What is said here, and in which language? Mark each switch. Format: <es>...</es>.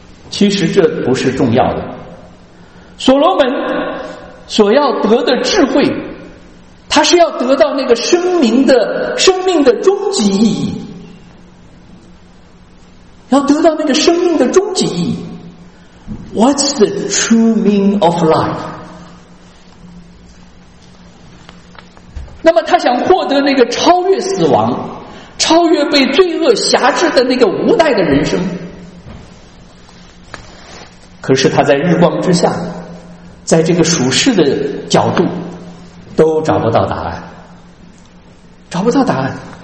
<zh>其实这不是重要的。所罗门所要得的智慧，他是要得到那个生命的终极意义，要得到那个生命的终极意义。</zh> <en>What's the true meaning of life?</en> <zh>那么他想获得那个超越死亡，超越被罪恶辖制的那个无奈的人生。可是他在日光之下，在这个属世的角度都找不到答案，找不到答案。</zh>